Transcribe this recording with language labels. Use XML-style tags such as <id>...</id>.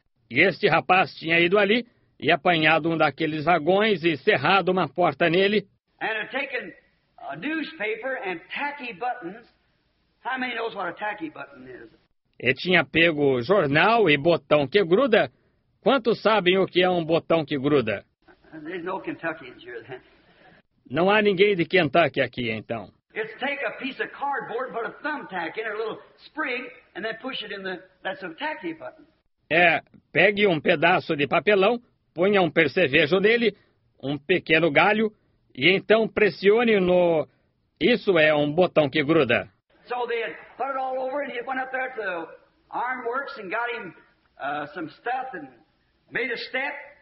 <pt>E este rapaz tinha ido ali e apanhado um daqueles vagões e cerrado uma porta nele.</pt> <en>And had taken a newspaper and tacky buttons. How many knows what a tacky button is?</en> <pt>E tinha pego jornal e botão que gruda. Quantos sabem o que é um botão que gruda? Huh?</pt> <en>There's no Kentuckians here then.</en> <pt>Não há ninguém de Kentucky aqui, então.</pt> <en>It's take a piece of cardboard, put a thumbtack in it, a little spring, and then push it in the, that's a tacky button.</en> <pt>É, pegue um pedaço de papelão, ponha um percevejo nele, um pequeno galho, e então pressione no... Isso é um botão que gruda.</pt> <en>So they had put it all over, and he went up there to the ironworks and got him some stuff and made a step.</en>